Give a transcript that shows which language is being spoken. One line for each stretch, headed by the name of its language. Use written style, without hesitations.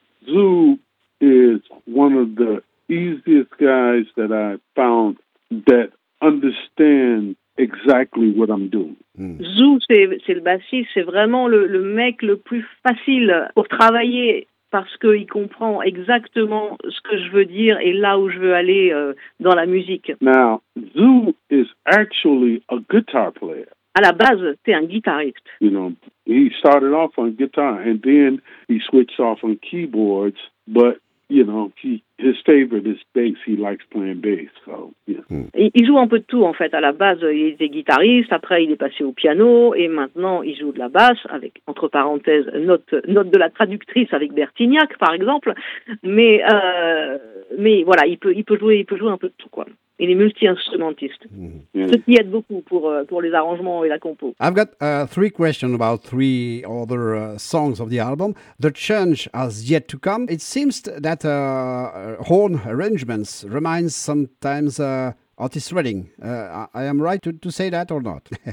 English: Zoo is one of the easiest guys that I found that understand exactly what I'm doing.
French: Zoo, c'est le bassiste, c'est vraiment le mec le plus facile pour travailler parce qu'il comprend exactement ce que je veux dire et là où je veux aller dans la musique.
English: Now, Zoo is actually a guitar player.
French: À la base, c'est un guitariste.
English: You know, he started off on guitar and then he switched off on keyboards, but you know, his favorite is bass. He likes playing bass. So, yeah.
French: Il joue un peu de tout, en fait. À la base, il était guitariste. Après, il est passé au piano. Et maintenant, il joue de la basse, avec, entre parenthèses, note de la traductrice avec Bertignac, par exemple. Mais voilà, il peut jouer un peu de tout, quoi. Il est multi-instrumentiste. Ce qui aide beaucoup pour les arrangements et la compo.
English: I've got 3 questions about 3 other songs of the album. The Change Has Yet To Come. It seems that horn arrangements remind sometimes Otis Redding. I am right to say that or not?